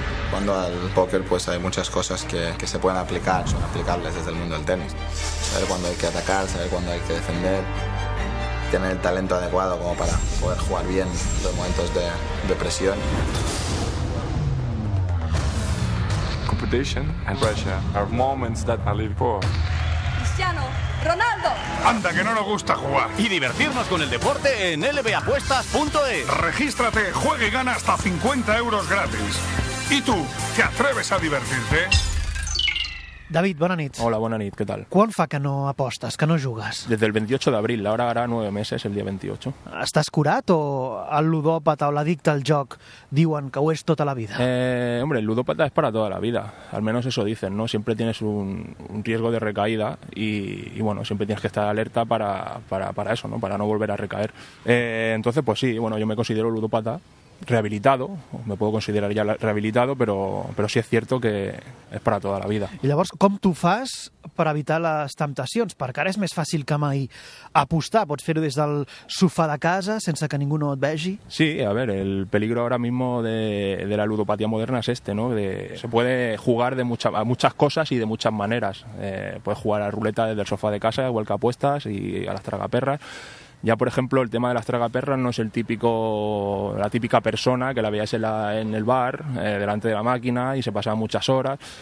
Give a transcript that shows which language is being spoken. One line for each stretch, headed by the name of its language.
Spanish: Cuando al póker, pues hay muchas cosas que se pueden aplicar, son aplicables desde el mundo del tenis. Saber cuándo hay que atacar, saber cuándo hay que defender, tener el talento adecuado como para poder jugar bien los momentos de presión.
English: Competition and pressure are moments that I live for. Cristiano Ronaldo.
Spanish: Anda, que no nos gusta jugar. Y divertirnos con el deporte en lbapuestas.es. Regístrate, juega y gana hasta 50 euros gratis. ¿Y tú, te atreves a divertirte?
Catalan: David, bona nit. Hola, bona nit, què tal? Quan fa que no apostes, que no jugues? Des del 28 d'abril, ara 9 mesos, el dia 28. Estàs curat o el ludòpata o l'addicte al joc diuen que ho és tota la vida?
Spanish: Hombre,
Catalan: el ludòpata és per a tota la vida, almenys
Spanish: eso dicen, ¿no? Siempre tienes un riesgo de recaída y bueno, siempre tienes que estar alerta para eso, ¿no? Para no volver a recaer. Entonces, pues sí, bueno, yo me considero ludópata. Rehabilitado, me puedo considerar ya rehabilitado, pero sí es cierto que es para toda la vida.
Catalan: I llavors, com tu fas per evitar les temptacions? Perquè ara és més fàcil que mai apostar. Pots fer-ho des del sofà de casa, sense que ningú no et vegi.
Spanish: Sí, a ver, el peligro ahora mismo de la ludopatía moderna es este, ¿no? Se puede jugar a muchas cosas y de muchas maneras. Puedes jugar a ruleta desde el sofá de casa, igual que apuestas, y a las tragaperras. Ya, por ejemplo, el tema de las tragaperras no es la típica persona que la veías en el bar, delante de la máquina y se pasaba muchas horas.